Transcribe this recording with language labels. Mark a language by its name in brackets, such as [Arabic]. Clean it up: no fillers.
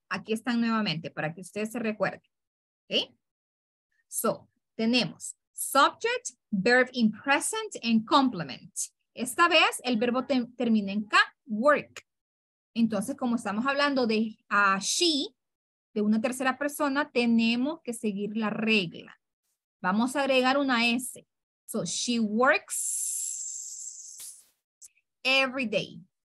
[Spanish] Aquí están nuevamente para que ustedes se recuerden. ¿Ok? [English] So, tenemos subject, verb in present, and complement. [Spanish] Esta vez el verbo termina en K, work. Entonces, como estamos hablando de she, de una tercera persona, tenemos que seguir la regla. Vamos a agregar una S. [English] So, she works every day.